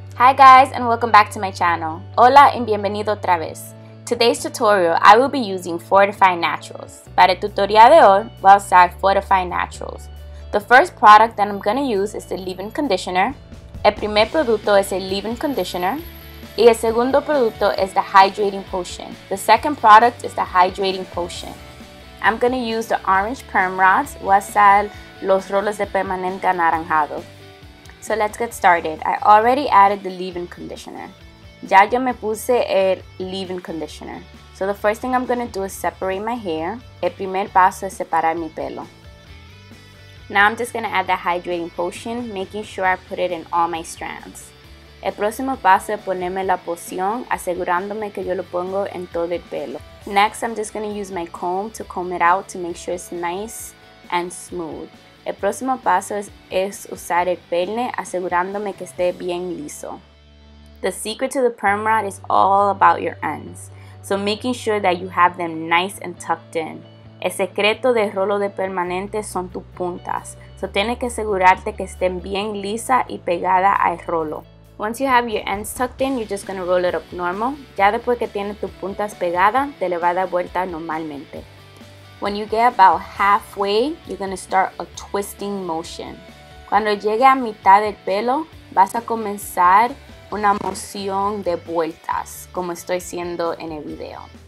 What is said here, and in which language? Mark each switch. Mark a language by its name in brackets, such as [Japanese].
[English] Hi guys and welcome back to my channel. [Spanish] Hola y bienvenido otra vez. [English] Today's tutorial, I will be using Fortify'd Naturals. [Spanish] Para el tutorial de hoy, voy a usar Fortify'd Naturals. [English] The first product that I'm going to use is the leave-in conditioner. [Spanish] El primer producto es el leave-in conditioner. Y el segundo producto es [English] the hydrating potion. The second product is the hydrating potion. I'm going to use the orange perm rods. [Spanish] Voy a usar los rollos de permanente anaranjado. [English] So let's get started. I already added the leave-in conditioner. [Spanish] Ya yo me puse el leave-in conditioner. [English] So the first thing I'm going to do is separate my hair. [Spanish] El primer paso es separar mi pelo. [English] Now I'm just going to add the hydrating potion, making sure I put it in all my strands. [Spanish] El próximo paso es ponerme la poción, asegurándome que yo lo pongo en todo el pelo. [English] Next, I'm just going to use my comb to comb it out to make sure it's nice and smooth. [Spanish] El próximo paso es usar el peine, asegurándome que esté bien liso. [English] The secret to the perm rod is all about your ends, so making sure that you have them nice and tucked in. [Spanish] El secreto del rollo de permanente son tus puntas, so tienes que asegurarte que estén bien lisa y pegada al rollo. [English] Once you have your ends tucked in, you're just going to roll it up normal. [Spanish] Ya después que tienes tus puntas pegadas, te le va a dar vuelta normalmente. [English] When you get about halfway, you're going to start a twisting motion. [Spanish] Cuando llegue a mitad del pelo, vas a comenzar una moción de vueltas, como estoy haciendo en el video.